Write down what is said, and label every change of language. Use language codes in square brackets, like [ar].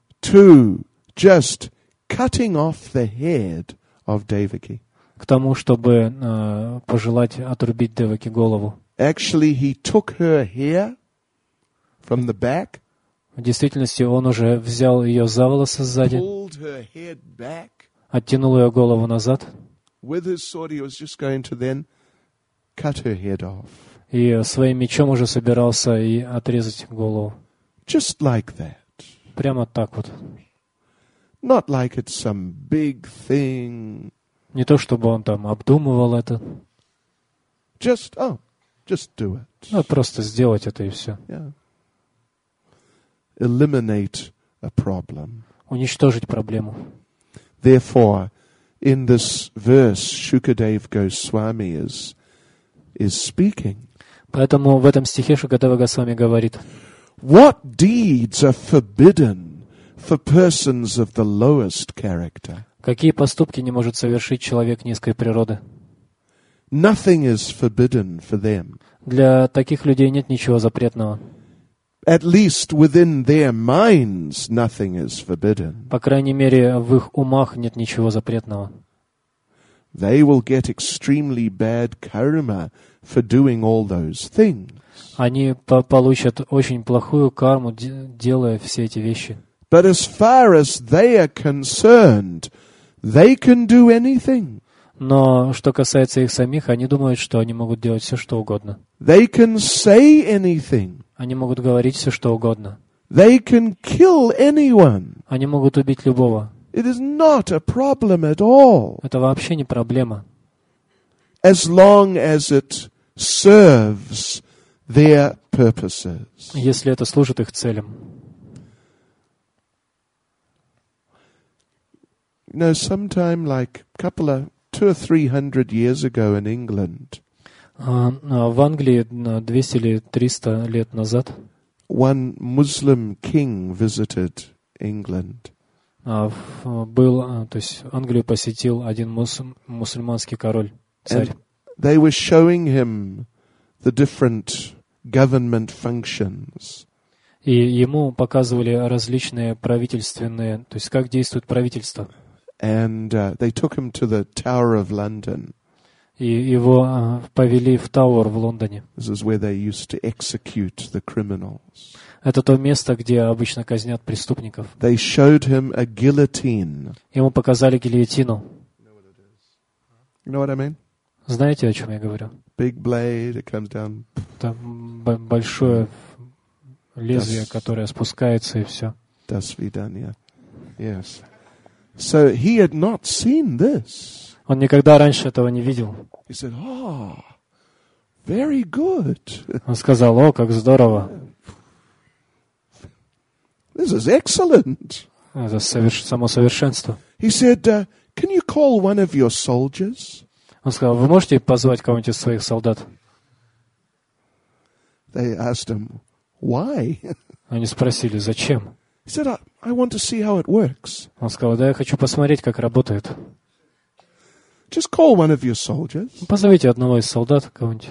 [en] To just cutting off the head of Devaki. [ru] К тому, чтобы пожелать отрубить Деваке голову. [en] Actually, he took her hair from the back. [ru] В действительности, он уже взял ее за волосы сзади. [en] Pulled her head back. [ru] Оттянул ее голову назад. [en] With his sword, he was just going to then cut her head off. [ru] И своим мечом уже собирался и отрезать голову. [en] Just like that. [ru] Прямо так вот. [en] Not like it's some big thing. [ru] Не то, чтобы он там обдумывал это. [en] Just do it. [ru] Ну, просто сделать это и все. [en] Yeah. Eliminate a problem. [ru] Уничтожить проблему. [en] Therefore, in this verse, Shukadev Goswami is speaking. [ru] Поэтому в этом стихе Шукадева Госвами говорит. [en] What deeds are forbidden for persons of the lowest character? [ru] Какие поступки не может совершить человек низкой природы? [en] Nothing is forbidden for them. [ru] Для таких людей нет ничего запретного. [en] At least within their minds nothing is forbidden. [ru] По крайней мере, в их умах нет ничего запретного. [en] They will get extremely bad karma for doing all those things. [ru] Они получат очень плохую карму, делая все эти вещи. [en] But as far as they are concerned, they can do anything. [ru] Но что касается их самих, они думают, что они могут делать все, что угодно. [en] They can say anything. [ru] Они могут говорить все, что угодно. [en] They can kill anyone. [ru] Они могут убить любого. [en] It is not a problem at all. [ru] Это вообще не проблема. [en] As long as it serves their purposes. [ru] Если это служит их целям. [en] You know, sometime like couple of 200 or 300 years ago in England. [ru] В Англии 200 или 300 лет назад. [en] one Muslim king visited England. [ru] То есть Англию посетил один мусульманский король, царь. [en] And they were showing him the different government functions. [ru] И ему показывали различные правительственные, то есть как действует правительство. [en] And they took him to the Tower of London. [ru] И его повели в Тауэр в Лондоне. [en] This is where they used to execute the criminals. [ru] Это то место, где обычно казнят преступников. [en] They showed him a guillotine. [ru] Ему показали гильотину. [en] You know what I mean? [ru] Знаете, о чем я говорю? [en] Big blade, it comes down. [ru] Там большое лезвие, которое спускается, и все. До свидания. [en] Yes. So he had not seen this. [ru] Он никогда раньше этого не видел. [en] He said, oh, very good. [ru] Он сказал, о, как здорово. [en] This is excellent. [ru] Это само совершенство. [en] He said, can you call one of your soldiers? [ru] Он сказал, вы можете позвать кого-нибудь из своих солдат? [en] They asked him, why? [ru] Они спросили, зачем? [en] He said, I want to see how it works. [ru] Он сказал, да, я хочу посмотреть, как работает. [en] Just call one of your soldiers. [ru] Позовите одного из солдат кого-нибудь.